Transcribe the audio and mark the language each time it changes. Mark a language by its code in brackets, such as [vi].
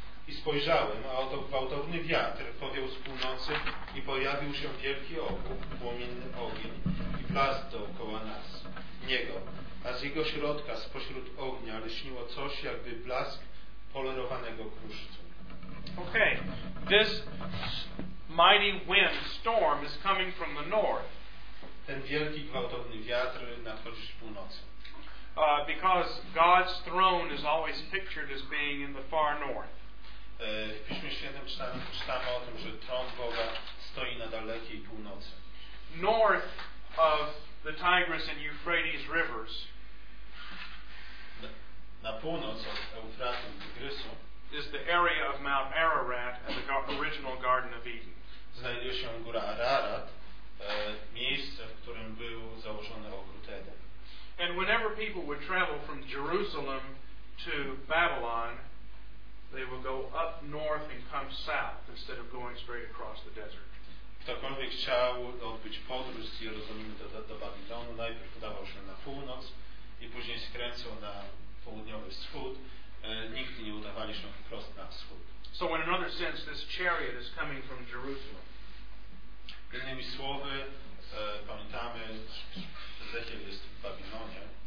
[pl] I spojrzałem, a oto gwałtowny wiatr powiał z północy i pojawił się wielki ogień, płomienny ogień i blask dookoła nas, niego. A z jego środka, spośród ognia, lśniło coś, jakby blask polerowanego kruszcu. [en] Okay, this mighty wind storm is coming from the north. [pl] Ten wielki gwałtowny wiatr nadchodzi z północy. [en] Because God's throne is always pictured as being in the far north. [pl] W Piśmie Świętym czytamy o tym, że tron Boga stoi na dalekiej północy. [en] North of the Tigris and Euphrates rivers. [pl] Na północ od Eufratu i Tygrysu [en] is the area of Mount Ararat and the original Garden of Eden. [pl] Znajduje się góra Ararat, miejsce, w którym był założony ogród Eden. [en] And whenever people would travel from Jerusalem to Babylon, they would go up north and come south instead of going straight across the desert. [pl] Ktokolwiek chciał odbyć podróż z Jerozolimy do Babilonu, najpierw udawał się na północ i później skręcał na południowy wschód. Nigdy nie udawali się wprost na wschód. [en] So in another sense, this chariot is coming from Jerusalem. [pl] Innymi słowy, pamiętamy, Ezechiel jest w Babilonie.